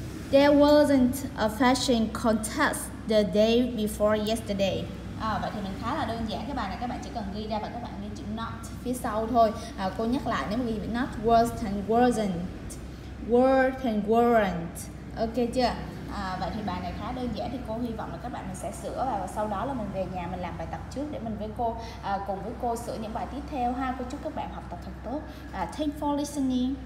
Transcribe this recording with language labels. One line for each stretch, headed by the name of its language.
English: There wasn't a fashion contest the day before yesterday.
Vietnamese: Vậy thì mình khá là đơn giản, cái bài này các bạn chỉ cần ghi ra và các bạn ghi chữ not phía sau thôi. Cô nhắc lại, nếu mà ghi not was and wasn't, were and weren't. Ok chưa? Vậy thì bài này khá đơn giản thì cô hy vọng là các bạn mình sẽ sửa và sau đó là mình về nhà mình làm bài tập trước để mình với cô cùng với cô sửa những bài tiếp theo ha. Cô chúc các bạn học tập thật tốt.
English: Thanks for listening.